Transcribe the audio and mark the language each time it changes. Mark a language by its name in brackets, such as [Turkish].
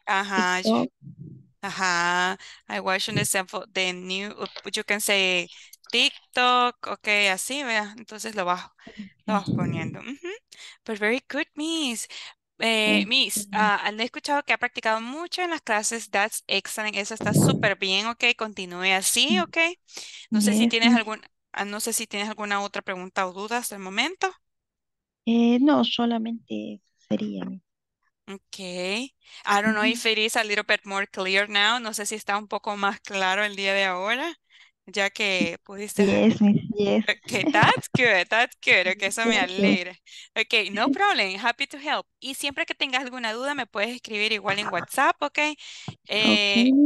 [English] Ajá, I watch on the cell phone, the new, you can say TikTok, ok, [Spanish] así, vea, entonces lo vas poniendo. [English] But very good, miss. [Spanish] Miss, he escuchado que ha practicado mucho en las clases. [English] That's excellent. [Spanish] Eso está súper bien, ok. Continúe así, ok. No sé si tienes alguna, no sé si tienes alguna otra pregunta o duda hasta el momento. No, solamente sería. [English] Ok. I don't know if it is a little bit more clear now. [Spanish] No sé si está un poco más claro el día de ahora, ya que pudiste. [English] Yes, yes. Okay, that's good, that's good. Okay, [Spanish] eso me alegra. [English] Okay, no problem, happy to help. [Spanish] Y siempre que tengas alguna duda, me puedes escribir igual en WhatsApp, okay? Okay.